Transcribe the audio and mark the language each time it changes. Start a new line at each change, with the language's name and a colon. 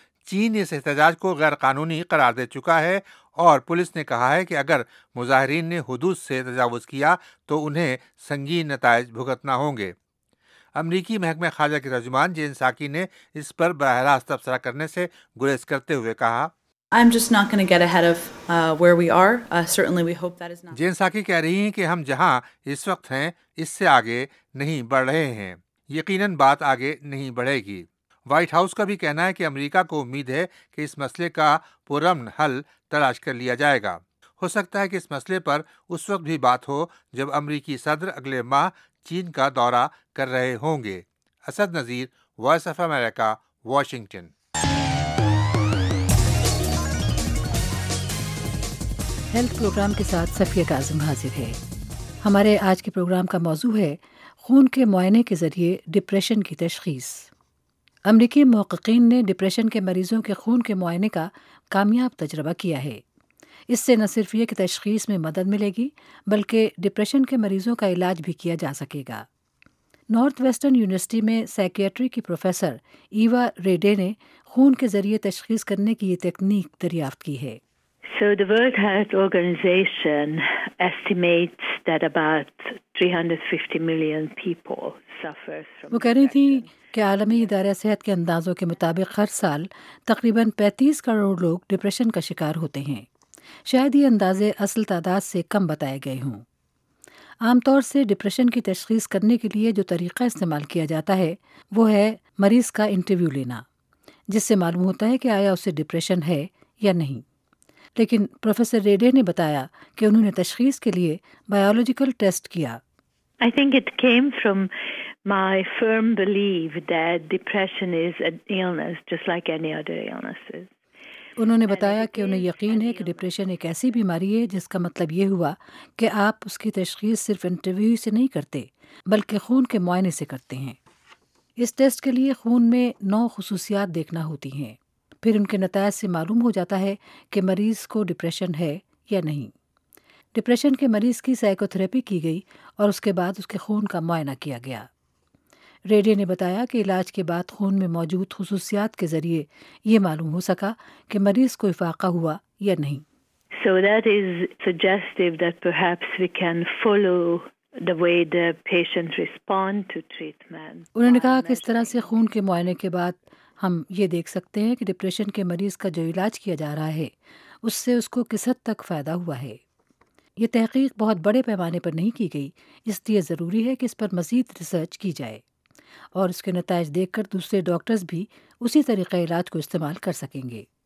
Urdu: چین اس احتجاج کو غیر قانونی قرار دے چکا ہے اور پولیس نے کہا ہے کہ اگر مظاہرین نے حدود سے تجاوز کیا تو انہیں سنگین نتائج بھگتنا ہوں گے. امریکی محکمہ خارجہ کے ترجمان جین ساکی نے اس پر براہ راست تبصرہ کرنے سے گریز کرتے ہوئے کہا،
English: I'm just not going to get ahead of where we are. Certainly we hope that is not.
Urdu: Jain ساکی کہہ رہی ہیں کہ ہم جہاں اس وقت ہیں اس سے آگے نہیں بڑھ رہے ہیں، یقیناً بات آگے نہیں بڑھے گی. وائٹ ہاؤس کا بھی کہنا ہے کہ امریکہ کو امید ہے کہ اس مسئلے کا پرامن حل تلاش کر لیا جائے گا. ہو سکتا ہے کہ اس مسئلے پر اس وقت بھی بات ہو جب امریکی صدر اگلے ماہ چین کا دورہ کر رہے ہوں گے. Asad Nazir, voice of America, Washington. Health programme کے ساتھ صفیہ کاظم حاضر ہے. ہمارے آج کے پروگرام کا موضوع ہے خون کے معائنے کے ذریعے ڈپریشن کی تشخیص. امریکی محققین نے ڈپریشن کے مریضوں کے خون کے معائنے کا کامیاب تجربہ کیا ہے. اس سے نہ صرف یہ کہ تشخیص میں مدد ملے گی بلکہ ڈپریشن کے مریضوں کا علاج بھی کیا جا سکے گا. نارتھ ویسٹرن یونیورسٹی میں سائیکیٹری کی پروفیسر ایوا ریڈے نے خون کے ذریعے تشخیص کرنے کی یہ تکنیک دریافت کی ہے.
English: So the World Health Organization estimates that about 350 million people suffer from.
Urdu: وہ کہہ رہی تھی کہ عالمی ادارہ صحت کے اندازوں کے مطابق ہر سال تقریباً 35 کروڑ لوگ ڈپریشن کا شکار ہوتے ہیں. شاید یہ اندازے اصل تعداد سے کم بتائے گئے ہوں. عام طور سے ڈپریشن کی تشخیص کرنے کے لیے جو طریقہ استعمال کیا جاتا ہے وہ ہے مریض کا انٹرویو لینا، جس سے معلوم ہوتا ہے کہ آیا اسے ڈپریشن ہے یا نہیں. لیکن پروفیسر ریڈے نے بتایا کہ انہوں نے تشخیص کے لیے بایولوجیکل ٹیسٹ کیا.
English: I think it came from my firm belief that depression is an illness just like any other illnesses.
Urdu: انہوں نے بتایا کہ انہیں یقین ہے کہ ڈپریشن ایک ایسی بیماری ہے جس کا مطلب یہ ہوا کہ آپ اس کی تشخیص صرف انٹرویو سے نہیں کرتے بلکہ خون کے معائنے سے کرتے ہیں. اس ٹیسٹ کے لیے خون میں 9 خصوصیات دیکھنا ہوتی ہیں، پھر ان کے نتائج سے معلوم ہو جاتا ہے کہ مریض کو ڈپریشن ہے یا نہیں. ڈپریشن کے مریض کی سائیکو تھراپی کی گئی اور اس کے بعد اس کے خون کا معائنہ کیا گیا. ریڈے نے بتایا کہ علاج کے بعد خون میں موجود خصوصیات کے ذریعے یہ معلوم ہو سکا کہ مریض کو افاقہ ہوا یا نہیں.
English: So So that is suggestive that perhaps we can follow the way the patient respond to treatment.
Urdu: انہوں نے کہا کہ اس طرح سے خون کے معائنے کے بعد ہم یہ دیکھ سکتے ہیں کہ ڈپریشن کے مریض کا جو علاج کیا جا رہا ہے اس سے اس کو کس حد تک فائدہ ہوا ہے. یہ تحقیق بہت بڑے پیمانے پر نہیں کی گئی, اس لیے ضروری ہے کہ اس پر مزید ریسرچ کی جائے اور اس کے نتائج دیکھ کر دوسرے ڈاکٹرز بھی اسی طریقہ علاج کو استعمال کر سکیں گے.